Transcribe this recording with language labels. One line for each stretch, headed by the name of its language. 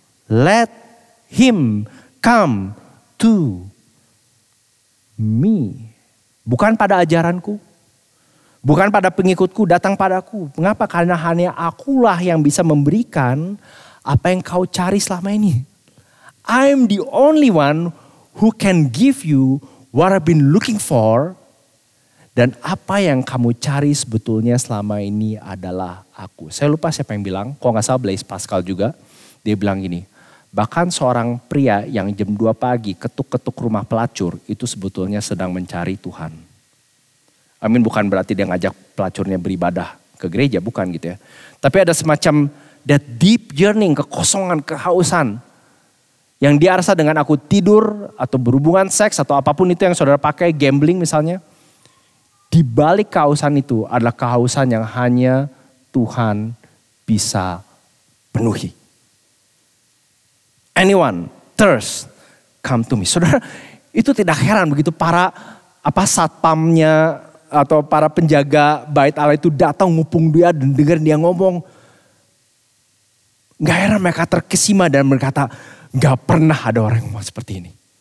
English: Let him come to me.
Indonesian: Bukan pada ajaranku, bukan pada pengikutku, datang padaku. Mengapa? Karena hanya akulah yang bisa memberikan apa yang kau cari selama ini.
English: I'm the only one who can give you what I've been looking for.
Indonesian: Dan apa yang kamu cari sebetulnya selama ini adalah aku. Saya lupa siapa yang bilang, kalau gak salah Blaise Pascal juga. Dia bilang gini, bahkan seorang pria yang jam 2 pagi ketuk-ketuk rumah pelacur itu sebetulnya sedang mencari Tuhan. Amin, bukan berarti dia ngajak pelacurnya beribadah ke gereja, bukan gitu ya. Tapi ada semacam
English: that deep yearning,
Indonesian: kekosongan, kehausan. Yang dia rasa dengan aku tidur atau berhubungan seks atau apapun itu yang saudara pakai, gambling misalnya. Di balik kehausan itu adalah kehausan yang hanya Tuhan bisa penuhi.
English: Anyone thirst, come to me.
Indonesian: Saudara, itu tidak heran begitu para apa satpamnya atau para penjaga bait Allah itu datang ngupung dia dan dengar dia ngomong. Gak heran mereka terkesima dan berkata, gak pernah ada orang yang ngomong seperti ini.